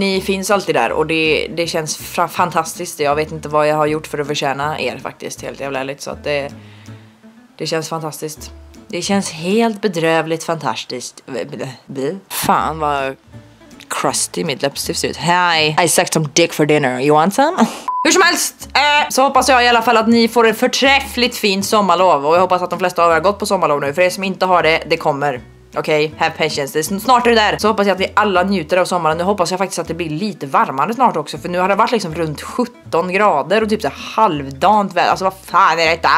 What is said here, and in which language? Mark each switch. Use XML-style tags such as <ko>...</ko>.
<sv>Ni finns alltid där och det känns fantastiskt. Jag vet inte vad jag har gjort för att förtjäna er faktiskt, helt jävla ärligt. Så att det känns fantastiskt. Det känns helt bedrövligt fantastiskt. Fan vad crusty mitt läppstift ser ut.</sv> <en>Hi, I sucked some dick for dinner, you want some?</en> <sv>Hur som helst så hoppas jag i alla fall att ni får ett förträffligt fint sommarlov. Och jag hoppas att de flesta av er har gått på sommarlov nu. För er som inte har det, det kommer. Okej,</sv> <en>okay, have patience,</en> <sv>det är snart är det där. Så hoppas jag att vi alla njuter av sommaren. Nu hoppas jag faktiskt att det blir lite varmare snart också. För nu har det varit liksom runt 17 grader. Och typ så halvdant väl. Alltså vad fan är detta?</sv>